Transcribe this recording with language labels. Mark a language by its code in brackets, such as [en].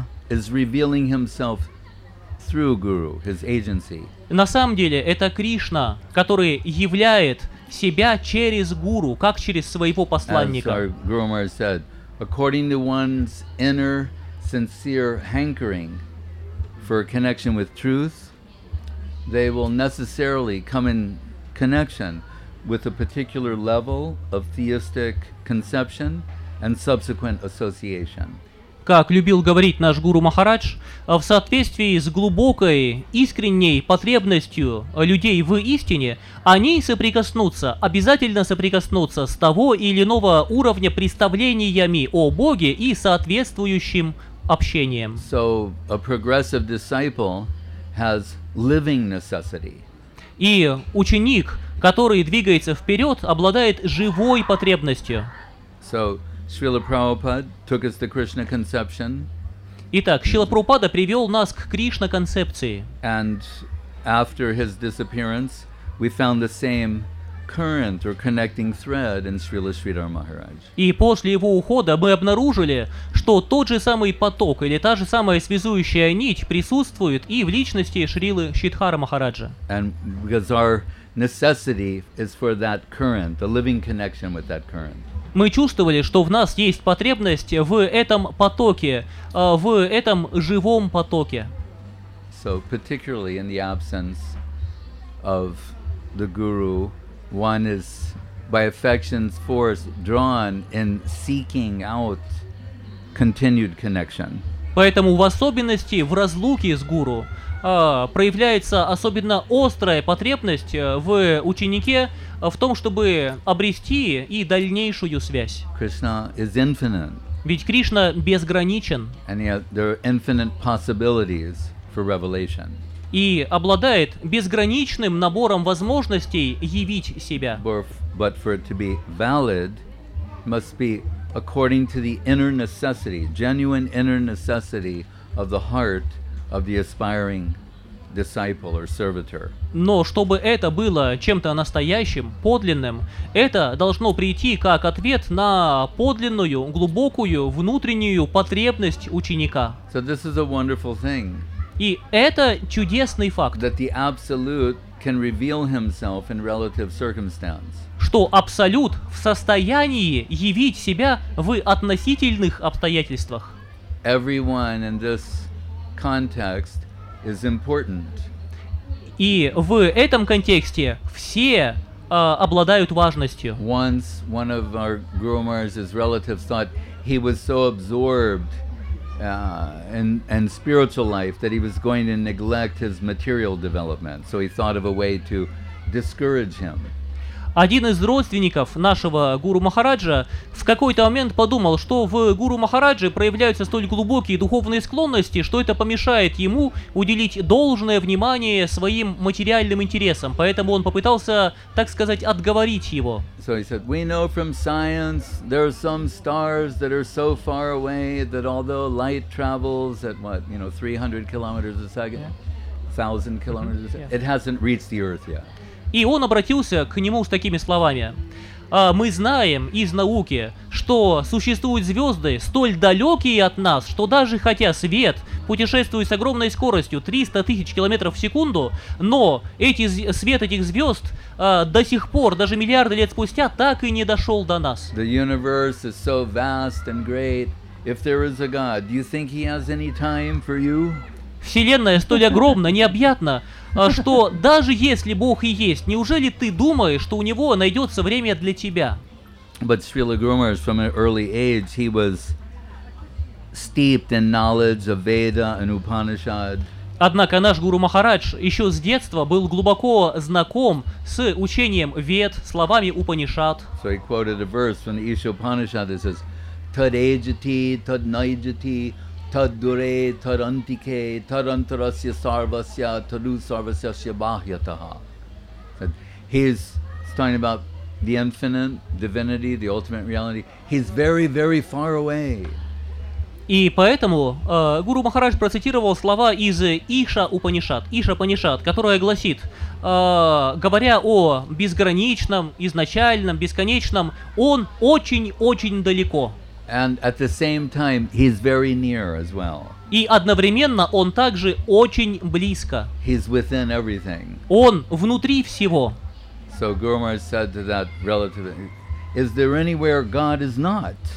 [en] Is revealing himself through Guru, his agency. [ru] На самом деле, это Кришна, который являет себя через Гуру, как через своего посланника. [en] As our Guru Maharaj said, according to one's inner sincere hankering for a connection with truth, they will necessarily come in connection with a particular level of theistic conception and subsequent association. [ru] Как любил говорить наш гуру Махарадж, в соответствии с глубокой, искренней потребностью людей в истине, они соприкоснутся, обязательно соприкоснутся с того или иного уровня представлениями о Боге и соответствующим общением. [en] So, a progressive disciple has living necessity. [ru] И ученик, который двигается вперед, обладает живой потребностью. [en] So, Srila Prabhupada took us to Krishna conception. [ru] Итак, Шрила Прабхупада привел нас к Кришна концепции. [en] And after his disappearance, we found the same current or connecting thread in Srila Sridhara Maharaj. [ru] И после его ухода мы обнаружили, что тот же самый поток или та же самая связующая нить присутствует и в личности Шрилы Шридхара Махараджа. [en] And because our necessity is for that current, the living connection with that current. [ru] Мы чувствовали, что в нас есть потребность в этом потоке, в этом живом потоке. [en] So particularly in the absence of the guru, one is by affection's force drawn in seeking out continued connection. [ru] Поэтому в особенности в разлуке с гуру проявляется особенно острая потребность в ученике в том, чтобы обрести и дальнейшую связь. [en] Krishna is infinite. [ru] Ведь Кришна безграничен. [en] And yet there are infinite possibilities for revelation. [ru] И обладает безграничным набором возможностей явить себя. [en] But for it to be valid, must be according to the inner necessity, genuine inner necessity of the heart of the aspiring disciple or servitor. [ru] Но чтобы это было чем-то настоящим, подлинным, это должно прийти как ответ на подлинную, глубокую, внутреннюю потребность ученика. [en] So this is a wonderful thing. [ru] И это чудесный факт. [en] That the absolute can reveal himself in relative circumstance. [ru] Что абсолют в состоянии явить себя в относительных обстоятельствах. [en] Everyone in this context is important. [ru] И в этом контексте все обладают важностью. [en] Once one of our Guru Maharaj's relatives thought he was so absorbed and spiritual life that he was going to neglect his material development. So he thought of a way to discourage him. [ru] Один из родственников нашего Гуру Махараджа в какой-то момент подумал, что в Гуру Махараджи проявляются столь глубокие духовные склонности, что это помешает ему уделить должное внимание своим материальным интересам. Поэтому он попытался, так сказать, отговорить его. [en] So he said, we know from science there are some stars that are so far away that although light travels at what, you know, 300 kilometers a second, 1000 kilometers a second, it hasn't reached the Earth yet. [ru] И он обратился к нему с такими словами. Мы знаем из науки, что существуют звезды столь далекие от нас, что даже хотя свет путешествует с огромной скоростью 300 тысяч километров в секунду, но свет этих звезд до сих пор, даже миллиарды лет спустя, так и не дошел до нас. [en] The universe is so vast and great. If there is a God, do you think he has any time for you? [ru] Вселенная столь огромна, необъятна, что даже если Бог и есть, неужели ты думаешь, что у него найдется время для тебя? [en] But Srila Guru Maharaj, from an early age, he was steeped in knowledge of Veda and Upanishad. [ru] Однако наш Гуру Махарадж еще с детства был глубоко знаком с учением Вед, словами Упанишад. [en] So he quoted a verse from the Isha Upanishad that says, [sa] Tad ejati, tad naijati, Таддуре, тарантике, тарантарасья сарвасья, таду сарвасья шибахьятаха. [en] He's talking about the infinite divinity, the ultimate reality. He's very, very far away. [ru] И поэтому Гуру Махарадж процитировал слова из Иша Упанишад, которая гласит, говоря о безграничном, изначальном, бесконечном, он очень-очень далеко. [en] And at the same time, he's very near as well. [ru] И одновременно он также очень близко. [en] He's within everything. [ru] Он внутри всего. [en] So Guru Maharaj said to that relative, "Is there anywhere God is not?"